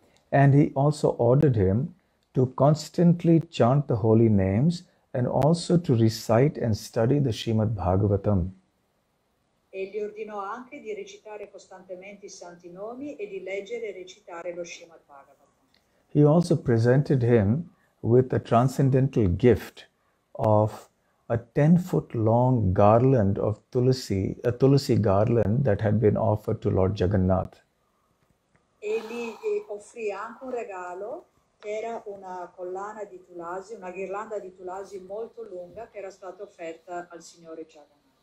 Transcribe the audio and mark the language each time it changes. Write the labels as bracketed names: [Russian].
[English] And he also ordered him to constantly chant the holy names and also to recite and study the Srimad Bhagavatam. [Italian] E gli ordinò anche di recitare costantemente i santi nomi e di leggere e recitare lo Srimad Bhagavatam. [English] He also presented him with a transcendental gift of a 10-foot-long garland of tulsi, a tulsi garland that had been offered to Lord Jagannath. [Italian] Egli offrì anche un regalo che era una collana di tulasi, una ghirlanda di tulasi molto lunga che era stata offerta al signore Jagannath.